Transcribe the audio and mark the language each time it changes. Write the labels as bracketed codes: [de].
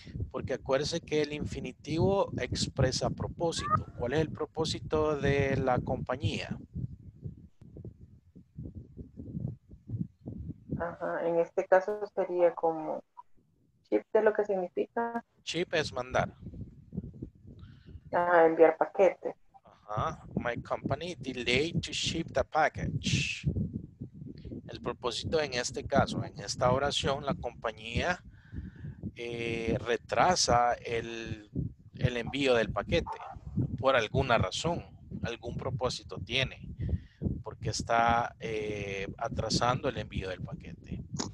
[es] Porque acuérdese que el infinitivo expresa propósito. ¿Cuál es el propósito de la compañía? Ajá, en este caso sería como, ¿ship es lo que significa? Ship es mandar. Ajá, enviar paquete. [en] Ajá, my company delayed to ship the package. [es] El propósito en este caso, en esta oración, la compañía retrasa el envío del paquete por alguna razón, algún propósito tiene, porque está atrasando el envío del paquete.